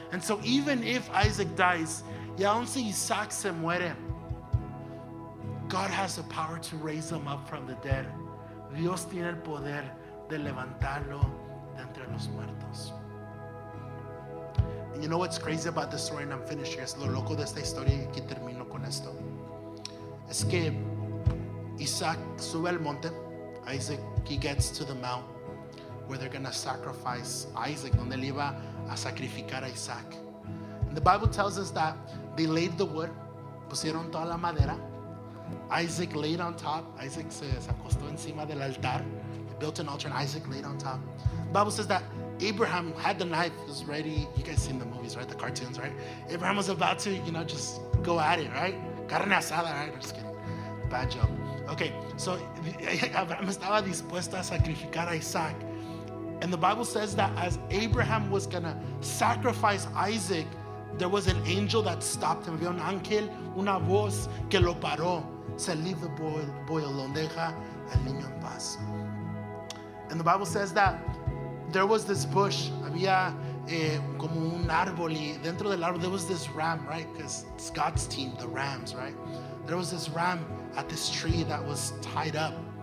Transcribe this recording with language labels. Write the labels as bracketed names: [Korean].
[English] And so even if Isaac dies, [Spanish] y aun si Isaac se muere, [English] God has the power to raise him up from the dead. [Spanish] Dios tiene el poder de levantarlo de entre los muertos. [English] You know what's crazy about this story, and I'm finishing. [Spanish] Es lo loco de esta historia y aquí termino con esto. Es que Isaac sube al monte. Isaac, [English] he gets to the mount where they're going to sacrifice Isaac, [Spanish] donde él iba a sacrificar a Isaac. [English] And the Bible tells us that they laid the wood, [Spanish] pusieron toda la madera. [English] Isaac laid on top. [Spanish] Isaac se acostó encima del altar. [English] They built an altar and Isaac laid on top. The Bible says that Abraham had the knife, was ready. You guys seen the movies, right? The cartoons, right? Abraham was about to, you know, just go at it, right? Carne asada, right? I'm just kidding. Bad joke. [Spanish] Okay, so Abraham estaba dispuesto a sacrificar a Isaac. [English] And the Bible says that as Abraham was going to sacrifice Isaac, there was an angel that stopped him. [Spanish] Había un ángel, una voz que lo paró. [English] Said, leave the boy alone. [Spanish] Deja al niño en paz. [English] And the Bible says that there was this bush. [Spanish] Había como un árbol. Y dentro del árbol, [English] there was this ram, right? Because it's God's team, the rams, right? There was this ram at this tree that was tied up.